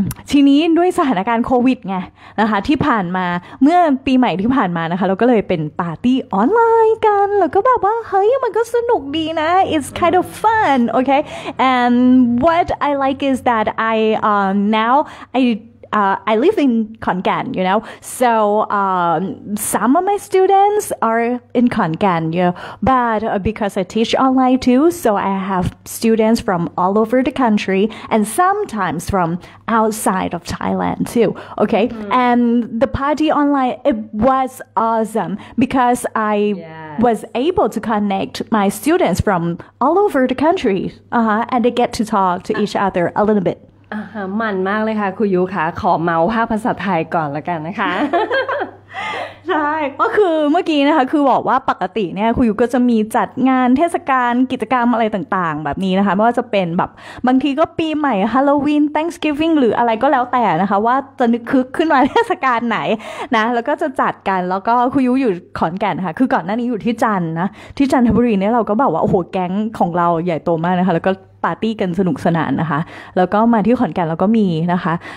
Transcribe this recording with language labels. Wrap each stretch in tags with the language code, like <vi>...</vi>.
<th>ทีนี้ด้วยสถานการณ์โควิดไงนะคะที่ผ่านมาเมื่อปีใหม่ที่ผ่านมานะคะเราก็เลยเป็นปาร์ตี้ออนไลน์กันแล้วก็แบบว่าเฮ้ยมันก็สนุกดีนะ</th> <en>it's kind of fun okay and what I like is that I now I I live in Konkan, you know. So some of my students are in Konkan, you know. But because I teach online too, so I have students from all over the country and sometimes from outside of Thailand too, okay? Mm-hmm. And the party online, it was awesome because I yes. was able to connect my students from all over the country and they get to talk to each other a little bit.</en> <th>มันมากเลยค่ะครูยูคะขอเมาภาพภาษาไทยก่อนละกันนะคะ ใช่ก็คือเมื่อกี้นะคะคือบอกว่าปกติเนี่ยครูยูก็จะมีจัดงานเทศกาลกิจกรรมอะไรต่างๆแบบนี้นะคะไม่ว่าจะเป็นแบบบางทีก็ปีใหม่ฮาโลวีน Thanksgiving หรืออะไรก็แล้วแต่นะคะว่าจะนึกคึกขึ้นมาเทศกาลไหนนะแล้วก็จะจัดกันแล้วก็ครูยูอยู่ขอนแก่นค่ะคือก่อนหน้านี้อยู่ที่จันนะที่จันทบุรีเนี่ยเราก็บอกว่าโอ้โหแก๊งของเราใหญ่โตมากนะคะแล้วก็ปาร์ตี้กันสนุกสนานนะคะแล้วก็มาที่ขอนแก่นเราก็มีนะคะ</th>